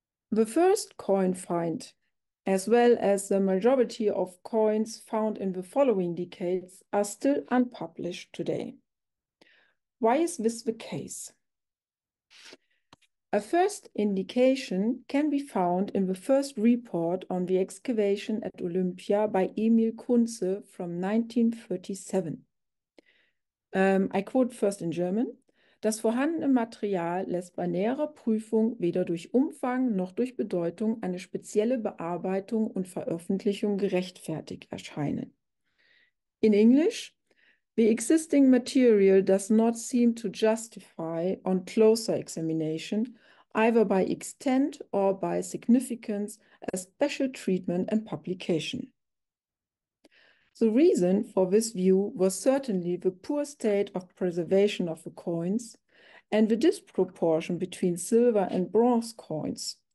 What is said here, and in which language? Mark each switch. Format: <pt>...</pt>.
<en>The first coin find, as well as the majority of coins found in the following decades, are still unpublished today. Why is this the case? A first indication can be found in the first report on the excavation at Olympia by Emil Kunze from 1937. I quote first in German,</en> <de>das vorhandene Material lässt bei näherer Prüfung weder durch Umfang noch durch Bedeutung eine spezielle Bearbeitung und Veröffentlichung gerechtfertigt erscheinen.</de> <en>In English, the existing material does not seem to justify on closer examination either by extent or by significance, a special treatment and publication. The reason for this view was certainly the poor state of preservation of the coins and the disproportion between silver and bronze coins.</en>